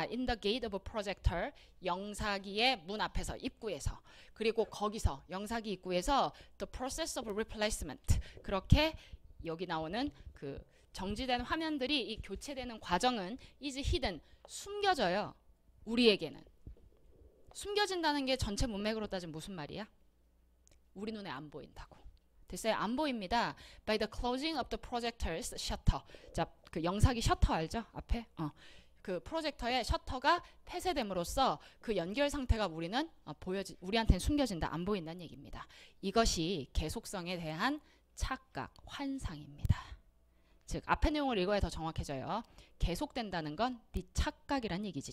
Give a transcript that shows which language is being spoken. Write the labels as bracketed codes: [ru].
[en] In the gate of a projector [ko] 영사기의 문 앞에서 입구에서 그리고 거기서 영사기 입구에서 [en] the process of replacement [ko] 그렇게 여기 나오는 그 정지된 화면들이 이 교체되는 과정은 [en] is hidden [ko] 숨겨져요. 우리에게는 숨겨진다는 게 전체 문맥으로 따지면 무슨 말이야? 우리 눈에 안 보인다고. 됐어요? 안 보입니다. [en] By the closing of the projector's shutter. [ko] 자, 그 영사기 셔터 알죠? 앞에? 그 프로젝터의 셔터가 폐쇄됨으로써 그 연결 상태가 우리는 보여지 우리한테는 숨겨진다. 안 보인다는 얘기입니다. 이것이 계속성에 대한 착각, 환상입니다. 즉, 앞에 내용을 읽어야 더 정확해져요. 계속된다는 건네 착각이란 얘기지.